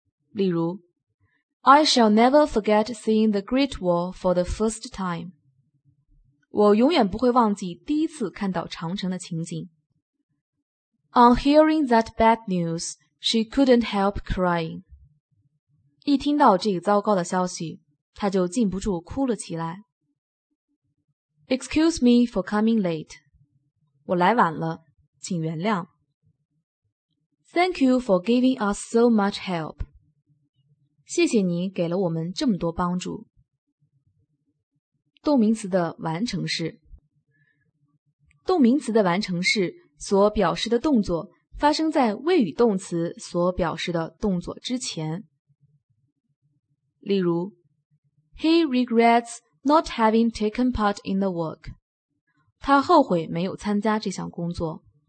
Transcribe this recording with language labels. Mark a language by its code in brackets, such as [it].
[en] 例如 I shall never forget seeing the Great Wall for the first time. [zh] 我永远不会忘记第一次看到长城的情景。 [en] On hearing that bad news, she couldn't help crying. [zh] 一听到这个糟糕的消息，她就禁不住哭了起来。 [en] Excuse me for coming late. [zh] 我来晚了，请原谅。 [en] Thank you for giving us so much help. [zh] 谢谢你给了我们这么多帮助。动名词的完成式。动名词的完成式所表示的动作发生在谓语动词所表示的动作之前。 [en] 例如 He regrets not having taken part in the work. [zh] 他后悔没有参加这项工作。